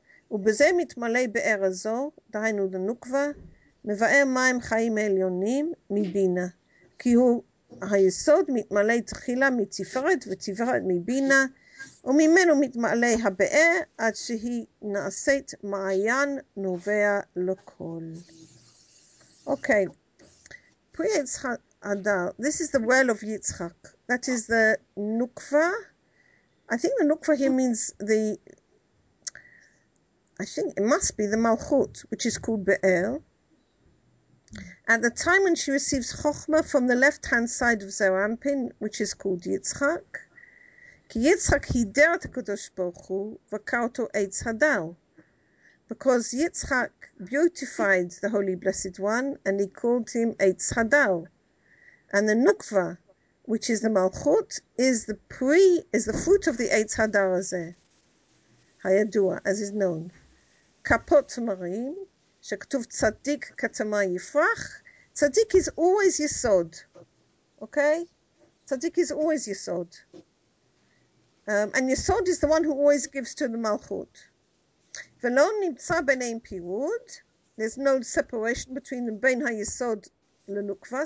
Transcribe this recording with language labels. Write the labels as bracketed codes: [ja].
[he] ובזה מתמלא באר הזו, דהיינו לנוקווה, מבאר מים חיים העליונים מבינה, כי הוא היסוד מתמלא תחילה מתפארת ותפארת מבינה, וממנו מתמלא הבאר עד שהיא נעשית מעיין נובע לכל. [en] Okay. Pri Yitzchak Adar. This is the well of Yitzchak. That is the Nukva. I think the Nukva here means the... I think it must be the Malchut, which is called Be'er. At the time when she receives Chochmah from the left-hand side of Zerampin, which is called Yitzchak, [he] כי יצחק הידר את הקדוש ברוך הוא וקרא אותו עץ הדר. [en] Because יצחק beautified the Holy Blessed One and he called him עץ הדר. And the Nukva, which is the Malchut, is the fruit of the עץ הדר הזה. הידוע, as is known. [he] כפות מראים, שכתוב צדיק כתמה יפרח. [en] צדיק is always יסוד. Okay? צדיק is always יסוד. And Yesod is the one who always gives to the Malchut. [he] Velo nimtza b'nein pirud. [en] There's no separation between the [he] b'nein ha-Yesod l'nukva.